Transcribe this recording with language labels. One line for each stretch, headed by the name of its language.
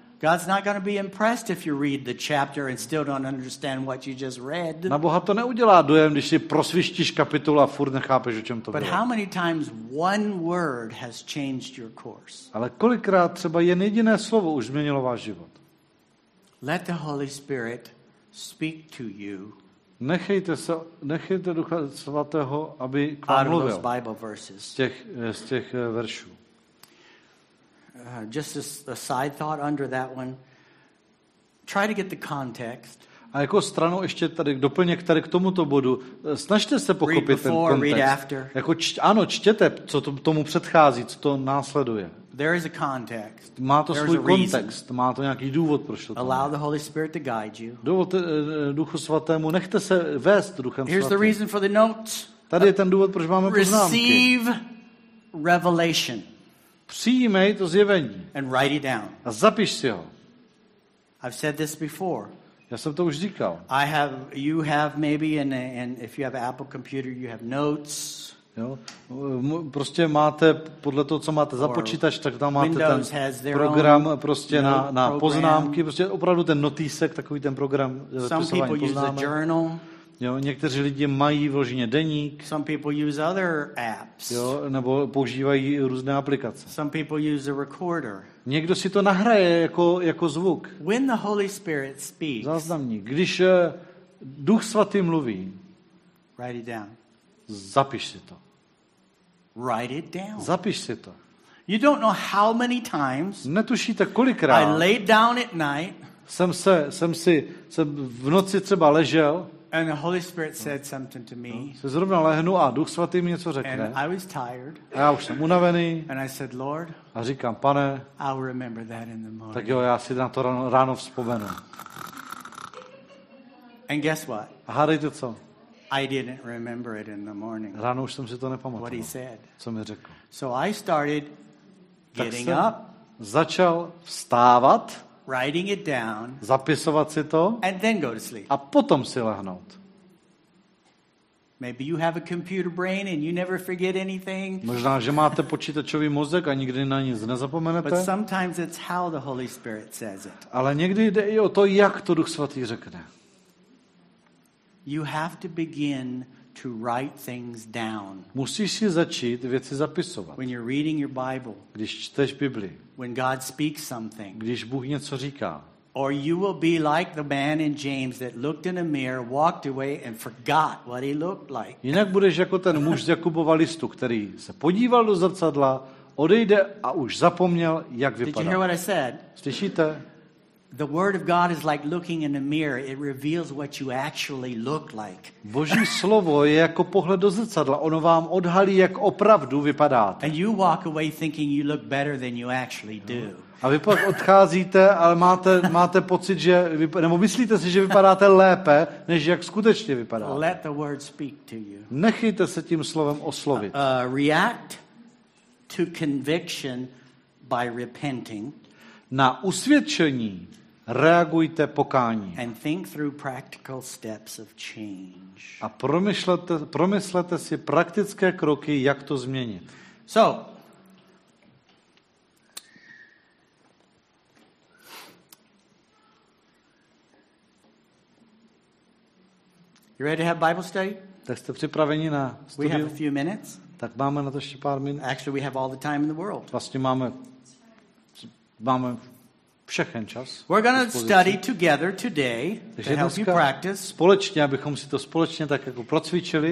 English: God's not going to be impressed if you read the chapter and still don't understand what you just read.
Czech: Na Boha to neudělá dojem, když si prosvištíš kapitolu a furt nechápeš, o čem to bylo.
English: But how many times one word has changed your course?
Czech: Ale kolikrát třeba jen jediné slovo už změnilo váš život?
English: Let the Holy Spirit speak to you.
Czech: Nechejte Ducha svatého, aby k vám mluvil.
English: Those Bible verses.
Czech: Z těch veršů.
English: Just a side thought under that one. Try to get the context.
Czech: A jako stranu ještě tady doplněk tady k tomuto bodu. Snažte se pochopit
English: read before,
Czech: ten kontext.
English: Read after.
Czech: Jako ano, čtěte, co tomu předchází, co to následuje.
English: There is a context.
Czech: Má to svůj kontext, má to nějaký důvod, proč to.
English: Allow the Holy Spirit to guide you.
Czech: Dovolte Duchu svatému, nechte se vést Duchem svatým.
English: Here's the reason for the notes.
Czech: Tady je ten důvod, proč máme poznámky.
English: Receive revelation.
Czech: Přijmej to zjevení.
English: And write it down.
Czech: A zapiš si ho.
English: I've said this before.
Czech: Já jsem to už říkal.
English: I have, you have maybe, and if you have Apple computer, you have notes.
Czech: Jo, prostě máte podle toho, co máte za počítač, tak tam máte
English: Windows
Czech: ten program prostě na poznámky, prostě opravdu ten notýsek, takový ten program zapisování poznámek. Jo, někteří lidi mají vloženě deník.
English: Some people use other apps.
Czech: Jo, nebo používají různé aplikace.
English: Some people use a recorder.
Czech: Někdo si to nahraje jako zvuk.
English: When the Holy Spirit speaks.
Czech: Záznamník. Když Duch svatý mluví.
English: Write it down.
Czech: Zapiš si to.
English: Write it down.
Czech: Zapiš si to.
English: You don't know how many times.
Czech: Netušíte kolikrát.
English: I laid down at night.
Czech: Jsem v noci třeba ležel.
English: And the Holy Spirit said something to me.
Czech: Se zrovna lehnu a Duch svatý mi něco řekne.
English: And I was tired.
Czech: A já už jsem unavený.
English: And I said, Lord.
Czech: A říkám, pane.
English: I'll remember that in the morning.
Czech: Tak jo, já si na to ráno vzpomenu.
English: And guess what?
Czech: A hádejte co?
English: I didn't remember it in the morning.
Czech: Ráno už jsem si to nepamatoval.
English: What he said.
Czech: Co mi řekl?
English: So I started getting up.
Czech: Začal vstávat.
English: Writing it down,
Czech: zapisovat si to,
English: and then go to sleep.
Czech: A potom si lehnout.
English: Maybe you have a computer brain and you never forget anything.
Czech: Možná, že máte počítačový mozek a nikdy na nic nezapomenete.
English: But sometimes it's how the Holy Spirit says it.
Czech: Ale někdy jde i o to, jak to Duch svatý řekne.
English: You have to begin to write things down.
Czech: Musíš si začít věci zapisovat.
English: When you're reading your Bible.
Czech: Když čteš Bibli.
English: When God speaks something.
Czech: Když Bůh něco říká.
English: Or you will be like the man in James that looked in a mirror, walked away and forgot what he looked like.
Czech: Jinak budeš jako ten muž z Jakubova listu, který se podíval do zrcadla, odejde a už zapomněl, jak vypadá.
English: Did you hear what I said?
Czech: Slyšíte?
English: The word of God is like looking in a mirror. It reveals what you actually look like.
Czech: Boží slovo je jako pohled do zrcadla. Ono vám odhalí, jak opravdu vypadáte.
English: And you walk away thinking you look better than you actually do.
Czech: A vy pak odcházíte, ale máte pocit, že nebo myslíte si, že vypadáte lépe, než jak skutečně vypadáte.
English: Let the word speak to you.
Czech: Nechejte se tím slovem oslovit.
English: React to conviction by repenting.
Czech: Na usvědčení reagujte pokáním.
English: And think through practical steps of change.
Czech: A promyslete si praktické kroky, jak to změnit.
English: So, you ready to have Bible study?
Czech: Tak jste připraveni na studium?
English: We have a few minutes.
Czech: Tak máme na to ještě pár minut.
English: Actually, we have all the time in the world.
Czech: Vlastně máme všechen čas.
English: We're going to study together today to help you practice.
Czech: Společně, abychom si to společně tak jako procvičili.